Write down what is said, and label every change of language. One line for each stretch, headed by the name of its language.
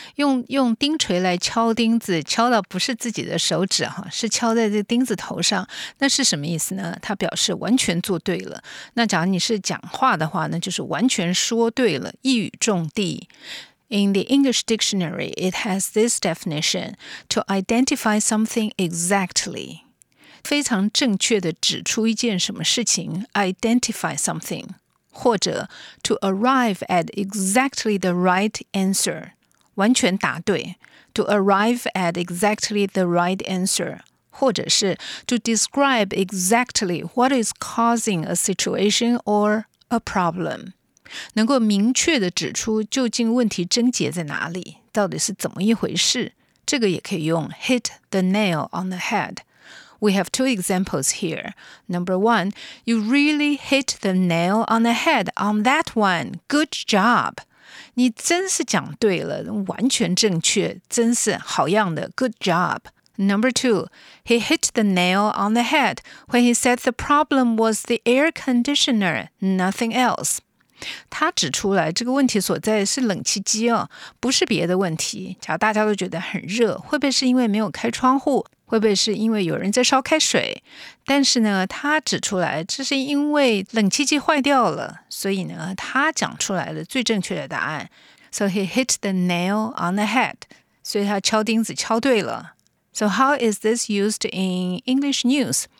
Chinese: 用钉锤来敲钉子，敲到不是自己的手指哈，是敲在这个钉子头上。那是什么意思呢？它表示完全做对了。那假如你是讲话的话，那就是完全说对了，一语中的。
English: In the English dictionary, it has this definition: to identify something exactly.
Chinese: 非常正确地指出一件什么事情 ,
English: identify something.
Chinese: 或者
English: to arrive at exactly the right answer,
Chinese: 完全答对
English: to arrive at exactly the right answer,
Chinese: 或者是
English: to describe exactly what is causing a situation or a problem,
Chinese: 能够明确地指出究竟问题症结在哪里，到底是怎么一回事，这个也可以用
English: hit the nail on the head. We have two examples here. Number one, you really hit the nail on the head on that one. Good job.
Chinese: 你真是讲对了，完全正确，真是好样的。
English: Good job. Number two, he hit the nail on the head when he said the problem was the air conditioner, nothing else.
Chinese: 他指出来这个问题所在是冷气机哦，不是别的问题。假如大家都觉得很热，会不会是因为没有开窗户？会不会是因为有人在烧开水？但是呢，他指出来这是因为冷气机坏掉了，所以呢，他讲出来的最正确的答案。
English: So he hit the nail on the head.
Chinese: 所以他敲钉子敲对了。
English: So how is this used in English news?